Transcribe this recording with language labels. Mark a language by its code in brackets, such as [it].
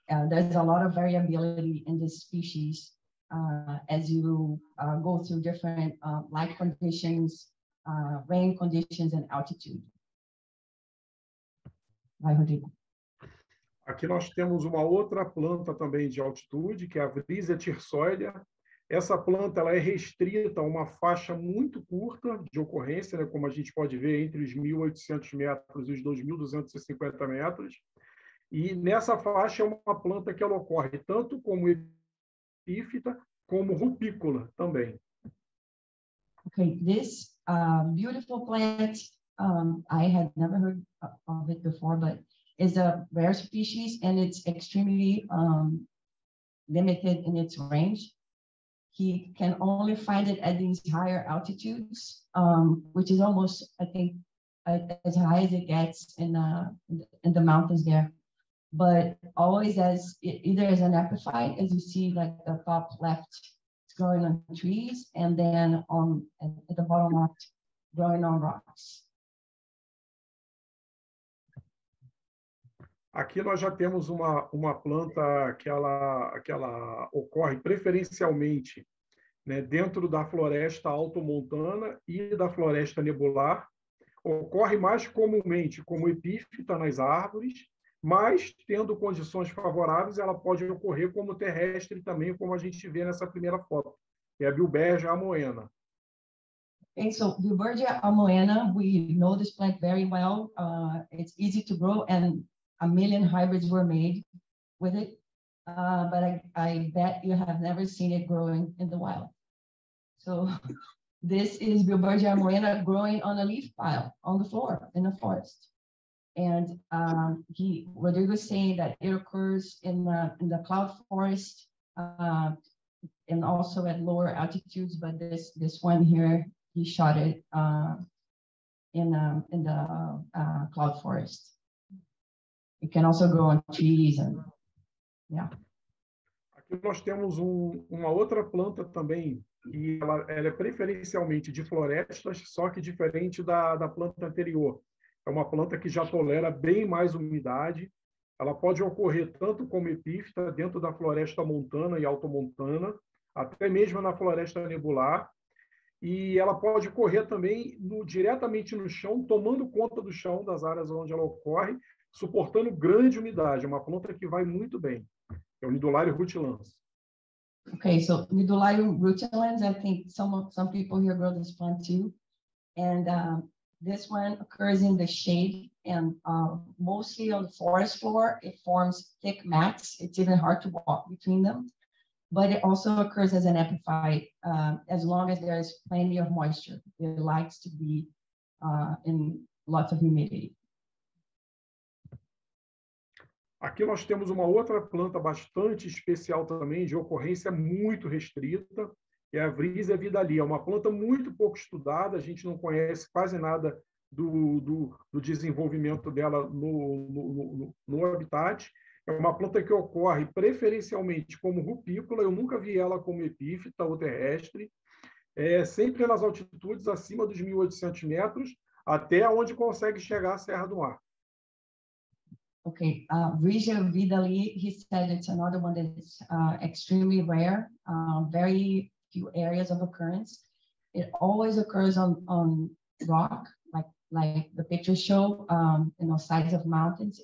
[en] There's a lot of variability in this species as you go through different light conditions, rain conditions, and altitude. [pt] Vai, Rodrigo. Aqui nós temos uma outra planta também de altitude, que é a Vrízia tirsoidea. Essa planta ela é restrita a uma faixa muito curta de ocorrência, né, como a gente pode ver, entre os 1.800 metros e os 2.250 metros. E nessa faixa é uma planta que ela ocorre tanto como epífita, como rupícola também. [en] Ok, this beautiful plant, I had never heard of it before, but it's a rare species and it's extremely limited in its range. He can only find it at these higher altitudes, which is almost, I think, as high as it gets in the mountains there. But always as either as an epiphyte, as you see, like the top left, it's growing on trees, and then on at the bottom left, growing on rocks. [pt] Aqui nós já temos uma planta que ela ocorre preferencialmente, né, dentro da floresta altomontana e da floresta nebular. Ocorre mais comumente como epífita nas árvores, mas tendo condições favoráveis, ela pode ocorrer como terrestre também, como a gente vê nessa primeira foto, que é a Bilbergia amoena. [en] And so, Bilbergia amoena, we know this plant very well. It's easy to grow, and a million hybrids were made with it. But I bet you have never seen it growing in the wild. So this is Bilbergia amoena growing on a leaf pile on the floor in the forest. And Rodrigo is saying that it occurs in the cloud forest and also at lower altitudes, but this one here, he shot it in the cloud forest. It can also grow on trees and yeah. [pt] Aqui nós temos uma outra planta também, e ela é preferencialmente de florestas, só que diferente da planta anterior. É uma planta que já tolera bem mais umidade. Ela pode ocorrer tanto como epífita dentro da floresta montana e altomontana, até mesmo na floresta nebular. E ela pode ocorrer também diretamente no chão, tomando conta do chão das áreas onde ela ocorre, suportando grande umidade. É uma planta que vai muito bem. É o Nidularium rutilans. [en] Okay, so Nidularium rutilans, I think some people here grow this plant too. And this one occurs in the shade and mostly on the forest floor. It forms thick mats. It's even hard to walk between them. But it also occurs as an epiphyte as long as there is plenty of moisture. It likes to be in lots of humidity. [pt] Aqui nós temos uma outra planta bastante especial também, de ocorrência muito restrita, é a Vrisia vidalia. É uma planta muito pouco estudada, a gente não conhece quase nada do desenvolvimento dela no habitat. É uma planta que ocorre preferencialmente como rupícola, eu nunca vi ela como epífita ou terrestre, sempre nas altitudes acima dos 1.800 metros, até onde consegue chegar a Serra do Mar. [en] Okay, Vrisia vidalia, he said it's another one that is extremely rare, very few areas of occurrence. It always occurs on rock, like the pictures show, you know, sides of mountains.